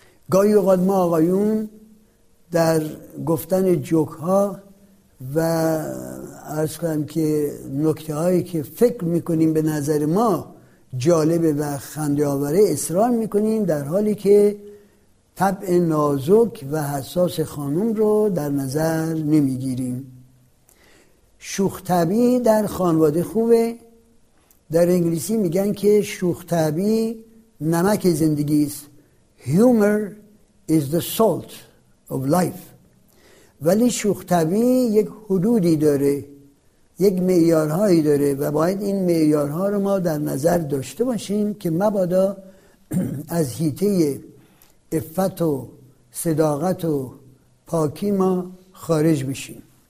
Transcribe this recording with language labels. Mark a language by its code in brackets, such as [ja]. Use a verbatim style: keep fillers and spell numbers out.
[fa] گاهی اوقات ما آقایون در گفتن جوک‌ها و عرض کنم که نکته هایی که فکر میکنیم به نظر ما جالبه و خنده آوره اصرار میکنیم، در حالی که طبع نازک و حساس خانم رو در نظر نمیگیریم. شوخ‌طبعی در خانواده خوبه. در انگلیسی میگن که شوخ‌طبعی نمک زندگی است. [en] Humor is the salt of life. [fa] ولی شوخ‌طبعی یک حدودی داره، یک معیارهایی داره و باید این معیارها رو ما در نظر داشته باشیم که مبادا از حیطه عفت و صداقت و پاکی ما خارج بشیم.